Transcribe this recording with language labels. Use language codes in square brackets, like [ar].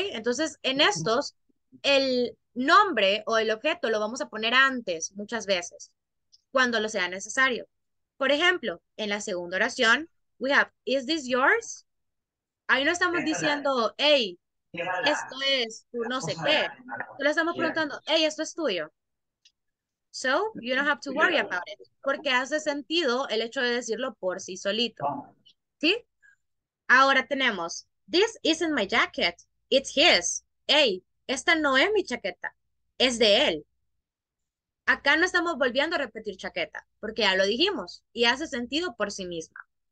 [es] Entonces, en estos, el nombre o el objeto lo vamos a poner antes, muchas veces, cuando lo sea necesario. Por ejemplo, en la segunda oración, [en] we have, is this yours? [es] Ahí no estamos diciendo, hey, esto es tu no sé qué. Solo estamos preguntando, hey, esto es tuyo. [en] So, you don't have to worry about it. [es] Porque hace sentido el hecho de decirlo por sí solito. ¿Sí? Ahora tenemos, [en] this isn't my jacket, it's his. [es] Hey, esta no es mi chaqueta, es de él. Acá no estamos volviendo a repetir chaqueta, porque ya lo dijimos, y hace sentido por sí misma.